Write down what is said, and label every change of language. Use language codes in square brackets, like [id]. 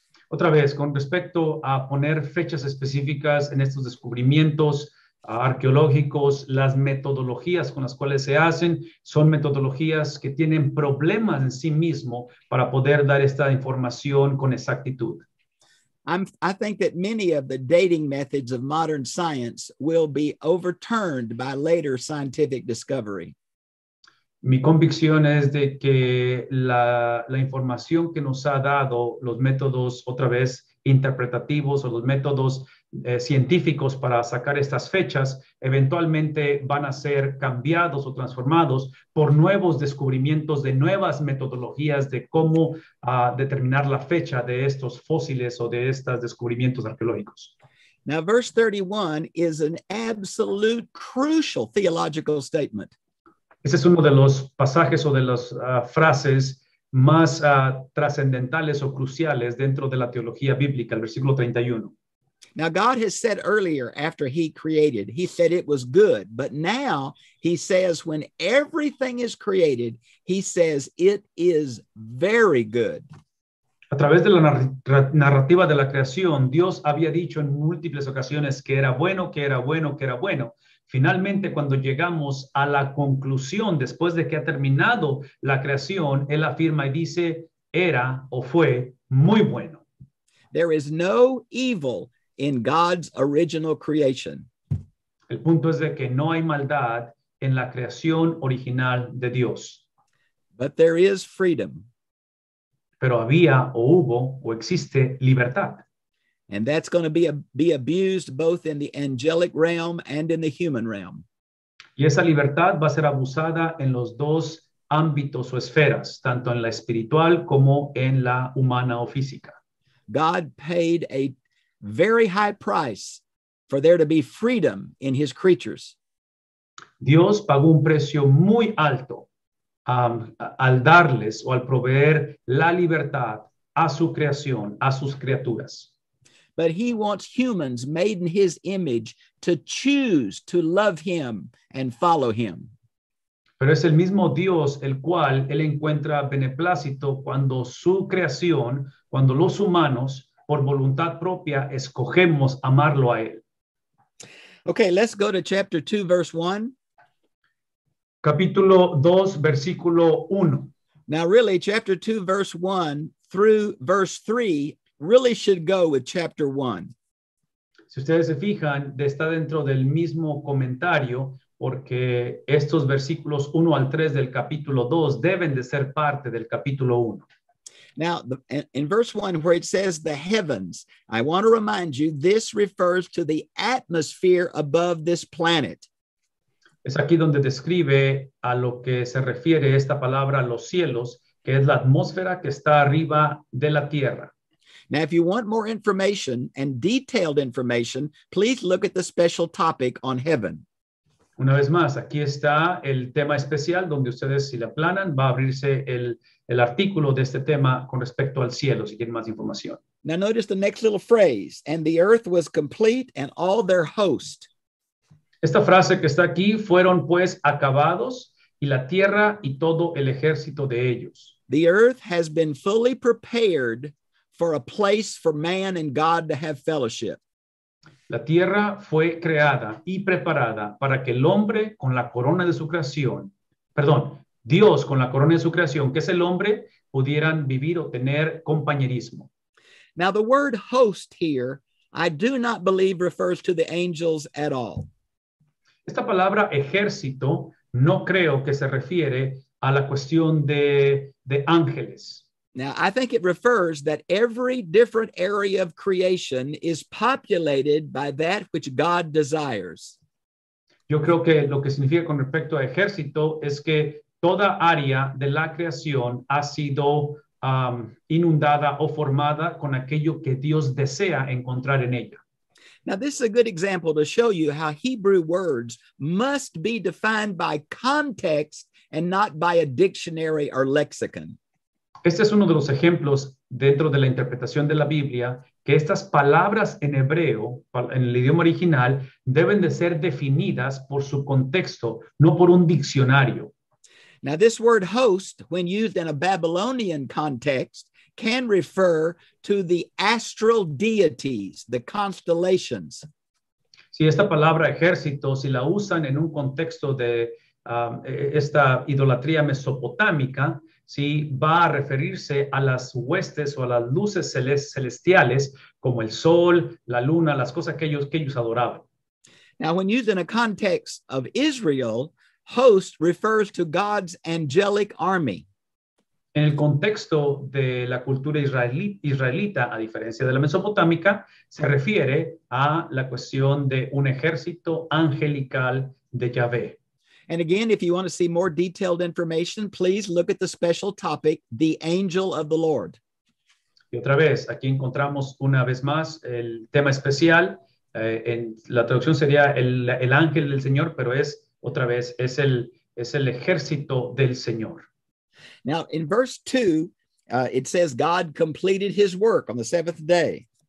[es] Otra vez, con respecto a poner fechas específicas en estos descubrimientos arqueológicos, las metodologías con las cuales se hacen son metodologías que tienen problemas en sí mismo para poder dar esta información con exactitud. [en] I think that many of the dating methods of modern science will be overturned by later scientific discovery. [es] Mi convicción es de que la información que nos ha dado los métodos, otra vez, interpretativos o los métodos científicos para sacar estas fechas eventualmente van a ser cambiados o transformados por nuevos descubrimientos de nuevas metodologías de cómo determinar la fecha de estos fósiles o de estos descubrimientos arqueológicos. [en] Now, verse 31 is an absolute crucial theological statement. [es] Ese es uno de los pasajes o de las frases más trascendentales o cruciales dentro de la teología bíblica, el versículo 31. [en] Now, God has said earlier after he created, he said it was good. But now he says when everything is created, he says it is very good. [es] A través de la narrativa de la creación, Dios había dicho en múltiples ocasiones que era bueno, que era bueno, que era bueno. Finalmente, cuando llegamos a la conclusión, después de que ha terminado la creación, él afirma y dice, era o fue muy bueno. [en] There is no evil in God's original creation. [es] El punto es de que no hay maldad en la creación original de Dios. [en] But there is freedom. [es] Pero había o hubo o existe libertad. [en] And that's going to be abused both in the angelic realm and in the human realm. [es] Y esa libertad va a ser abusada en los dos ámbitos o esferas, tanto en la espiritual como en la humana o física. [en] God paid a very high price for there to be freedom in his creatures. [es] Dios pagó un precio muy alto al darles o al proveer la libertad a su creación, a sus criaturas. [en] But he wants humans made in his image to choose to love him and follow him. [es] Pero es el mismo Dios el cual él encuentra beneplácito cuando su creación, cuando los humanos, por voluntad propia, escogemos amarlo a él. [en] Okay, let's go to chapter 2, verse 1. [es] Capítulo 2, versículo 1. [en] Now really, chapter 2, verse 1 through verse 3 really should go with chapter 1. [es] Si ustedes se fijan, está dentro del mismo comentario, porque estos versículos 1 al 3 del capítulo 2 deben de ser parte del capítulo 1. [en] Now, in verse 1, where it says the heavens, I want to remind you, this refers to the atmosphere above this planet. [es] Es aquí donde describe a lo que se refiere esta palabra, los cielos, que es la atmósfera que está arriba de la tierra. [en] Now, if you want more information and detailed information, please look at the special topic on heaven. [es] Una vez más, aquí está el tema especial donde ustedes, si la planan, va a abrirse el artículo de este tema con respecto al cielo, si quieren más información. [en] Now notice the next little phrase, and the earth was complete and all their host. [es] Esta frase que está aquí, fueron pues acabados y la tierra y todo el ejército de ellos. [en] The earth has been fully prepared for a place for man and God to have fellowship. [es] La tierra fue creada y preparada para que el hombre con la corona de su creación, perdón, Dios con la corona de su creación, que es el hombre, pudieran vivir o tener compañerismo. [en] Now the word host here, I do not believe refers to the angels at all. [es] Esta palabra ejército no creo que se refiere a la cuestión de ángeles. [en] Now, I think it refers that every different area of creation is populated by that which God desires. [es] Yo creo que lo que significa con respecto a ejército es que toda área de la creación ha sido inundada o formada con aquello que Dios desea encontrar en ella. [en] Now, this is a good example to show you how Hebrew words must be defined by context and not by a dictionary or lexicon. [es] Este es uno de los ejemplos dentro de la interpretación de la Biblia, que estas palabras en hebreo, en el idioma original, deben de ser definidas por su contexto, no por un diccionario. [en] Now, this word host, when used in a Babylonian context, can refer to the astral deities, the constellations. [es] Si esta palabra ejército, si la usan en un contexto de esta idolatría mesopotámica, si va a referirse a las huestes o a las luces celestiales, como el sol, la luna, las cosas que ellos adoraban. [en] Now, when used in a context of Israel, host refers to God's angelic army. [es] En el contexto de la cultura israelita, a diferencia de la mesopotámica, se refiere a la cuestión de un ejército angelical de Yahvé. [en] And again, if you want to see more detailed information, please look at the special topic, The Angel of the Lord. [es] Y otra vez, aquí encontramos una vez más el tema especial. En la traducción sería el ángel del Señor, pero es otra vez, es el ejército del Señor. [en] Now, in verse 2, it says God completed his work on the seventh day.